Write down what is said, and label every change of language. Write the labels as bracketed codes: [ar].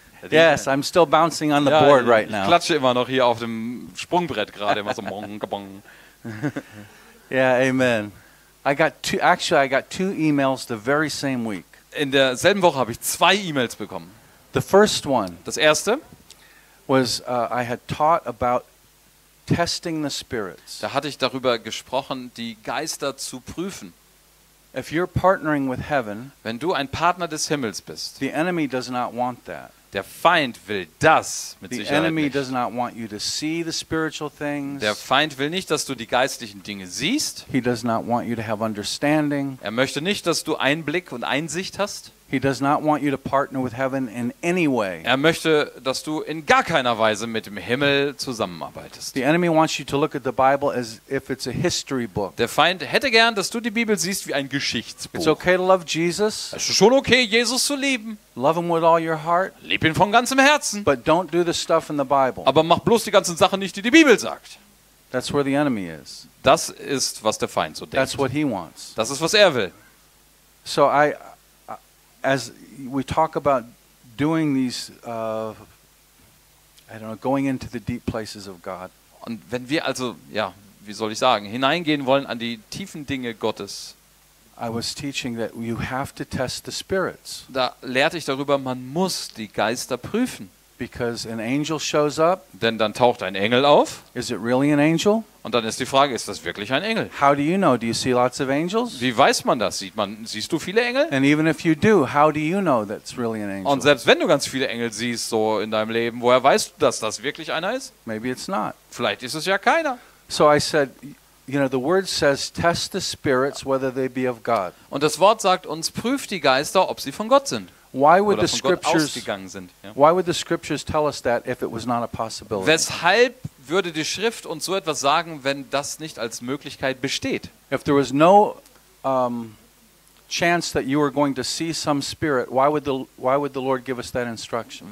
[en] Yes, I'm still bouncing on the board right now. [de] Ich klatsche immer noch hier auf dem Sprungbrett gerade, immer so bong, bong. [en] Yeah, amen. I got two emails the very same week. [de] In derselben Woche habe ich zwei E-Mails bekommen. [en] The first one. [de] Das erste. [en] Was I had taught about testing the spirits. [de] Da hatte ich darüber gesprochen, die Geister zu prüfen. [en] If you're partnering with heaven, [de] wenn du ein Partner des Himmels bist, [en] the enemy does not want that. [de] Der Feind will das mit Sicherheit nicht. [en] The enemy does not want you to see the spiritual things. [de] Der Feind will nicht, dass du die geistlichen Dinge siehst. [en] He does not want you to have understanding. [de] Er möchte nicht, dass du Einblick und Einsicht hast. [en] He does not want you to partner with heaven in any way. [de] Er möchte, dass du in gar keiner Weise mit dem Himmel zusammenarbeitest. [en] The enemy wants you to look at the Bible as if it's a history book. [de] Der Feind hätte gern, dass du die Bibel siehst wie ein Geschichtsbuch. [en] It's okay to love Jesus. [de] Es ist schon okay, Jesus zu lieben. [en] Love him with all your heart. [de] Lieb ihn von ganzem Herzen. [en] But don't do the stuff in the Bible. [de] Aber mach bloß die ganzen Sachen nicht, die die Bibel sagt. [en] That's where the enemy is. [de] Das ist, was der Feind so denkt. [en] That's what he wants. [de] Das ist, was er will. [en] So as we talk about doing these I don't know, going into the deep places of God. [de] Und wenn wir also, ja, wie soll ich sagen, hineingehen wollen an die tiefen Dinge Gottes. [en] I was teaching that you have to test the spirits. [de] Da lehrte ich darüber, man muss die Geister prüfen. [en] Because an angel shows up. [de] Denn dann taucht ein Engel auf. [en] Is it really an angel? [de] Und dann ist die Frage, ist das wirklich ein Engel? [en] How do you know? Do you see lots of angels? [de] Wie weiß man das? Siehst du viele Engel? [en] And even if you do, how do you know that's really an angel? [de] Und selbst wenn du ganz viele Engel siehst so in deinem Leben, woher weißt du, dass das wirklich einer ist? [en] Maybe it's not. [de] Vielleicht ist es ja keiner. [en] So I said, you know, the word says test the spirits whether they be of God. [de] Und das Wort sagt uns, prüf die Geister, ob sie von Gott sind. [en] Why would the scriptures [de] ausgegangen sind? [en] Why would the scriptures tell us that if it was not a possibility? [de] Weshalb würde die Schrift uns so etwas sagen, wenn das nicht als Möglichkeit besteht? [en] If there was no chance that you were going to see some spirit, why would the Lord give us that instruction?